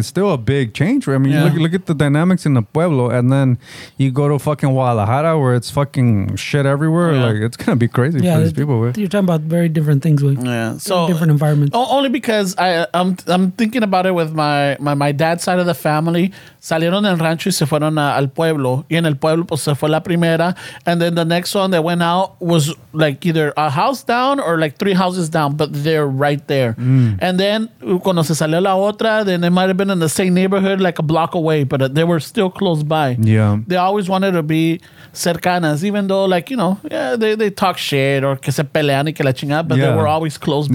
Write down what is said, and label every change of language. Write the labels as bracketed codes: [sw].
[en] It's still a big change. Right? I mean, look at the dynamics in the pueblo and then you go to fucking Guadalajara where it's fucking shit everywhere. Yeah. Like it's going to be crazy for these people. You're talking about very different things. Yeah. so different environments. Only because I'm thinking about it with my dad's side of the family. [es] Salieron del rancho y se fueron al pueblo. Y en el pueblo pues se fue la primera. [en] And then the next one that went out was like either a house down or like three houses down, but they're right there. Mm. And then [es] cuando se salió la otra, [en] then they might have been in the same neighborhood, like a block away, but they were still close by. Yeah, they always wanted to be [es] cercanas, [en] even though, like, you know, yeah, they talk shit or [es] que se pelean y que la chingada, [en] but yeah, they were always close